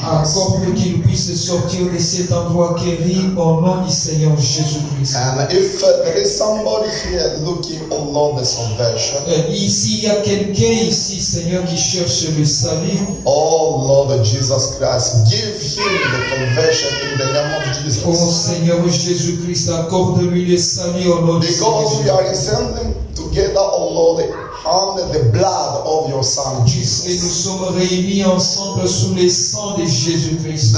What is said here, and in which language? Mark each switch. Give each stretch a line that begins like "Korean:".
French: Accorde qu'il puisse sortir de cet endroit guéri au nom du Seigneur Jésus Christ.
English: And if there is somebody here looking, oh Lord, the salvation.
French: Ici, il y a quelqu'un ici, Seigneur, qui cherche le salut.
English: Oh Lord Jesus Christ, give him the conversion in the name of Jesus.
French: Oh Seigneur Jésus Christ, accorde-lui le salut au nom de Jésus.
English: Because we are sending together, O Lord, under the blood of your Son Jesus.
French: Et nous sommes réunis ensemble sous le sang de Jésus-Christ.